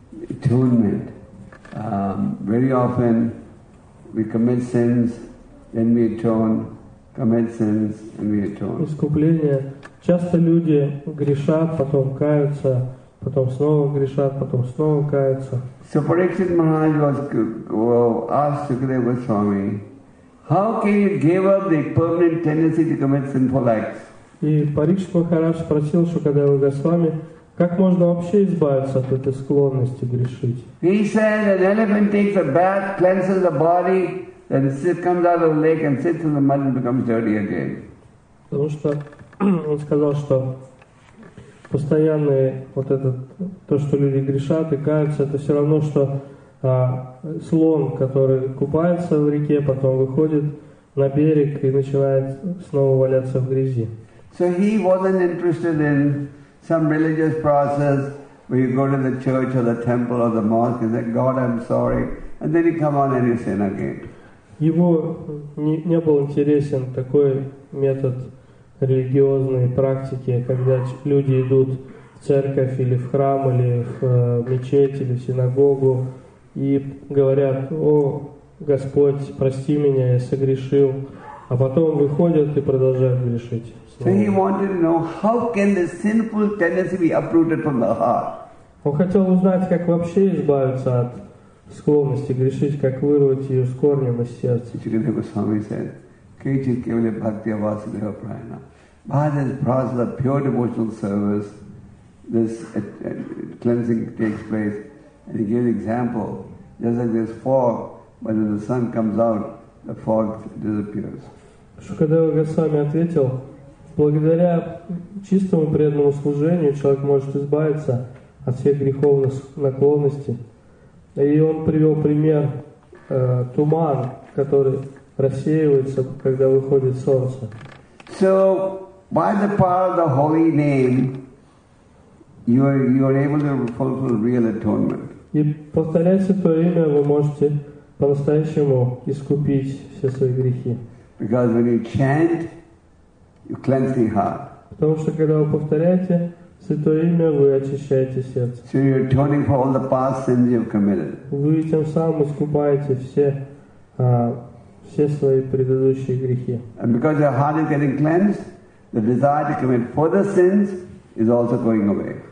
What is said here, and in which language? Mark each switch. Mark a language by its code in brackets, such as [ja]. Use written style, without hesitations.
[en] Atonement. Very often we commit sins, then we atone, commit sins and be atoned. [ru] Искупление. Часто люди грешат, потом каются, потом снова грешат, потом снова каются. [en] So Parikshit Maharaj was asked Sukadeva Swami, how can you give up the permanent tendency to commit sinful acts? [ru] И Парикшит Махарадж спросил Шукадева Госвами, как можно вообще избавиться от этой склонности грешить? [en] He said an elephant takes a bath, cleanses the body, then comes out of the lake and sits in the mud and becomes dirty again. [ru] Потому что он сказал, что постоянное вот это то, что люди грешат и каются, это все равно, что слон, который купается в реке, потом выходит на берег и начинает снова валяться в грязи. [en] So he wasn't interested in some religious process where you go to the church or the temple or the mosque and say, God, I'm sorry, and then you come on and you sin again. [ru] Его не был интересен такой метод религиозной практики, когда люди идут в церковь или в храм, или в мечеть, или в синагогу и говорят, о, Господь, прости меня, я согрешил, а потом выходят и продолжают грешить. [en] So he wanted to know how can the sinful tendency be uprooted from the heart. [ru] Он хотел узнать, как вообще избавиться от склонности грешить, как вырвать ее с корнем из сердца. [en] Shukadeva Swami said, [sa] "Kechit kevale bhakti avasudeva prayana." [en] By this process of pure devotional service, this cleansing takes place. And he gave an example, just like this fog, but when the sun comes out, the fog disappears. [ru] Шукадева Госвами ответил. Благодаря чистому преданному служению человек может избавиться от всех греховных наклонностей. И он привел пример туман, который рассеивается, когда выходит солнце. [en] So, by the power of the holy name, you are able to fulfill real atonement. [ru] И повторяя святое имя, вы можете по-настоящему искупить все свои грехи. [en] Because when you chant, you cleanse the heart. [ru] Потому что когда вы повторяете святое имя, вы очищаете сердце. [en] So you're atoning for all the past sins you've committed. [ru] Вы тем самым искупаете все свои предыдущие грехи. [en] And because your heart is getting cleansed, the desire to commit further sins is also going away.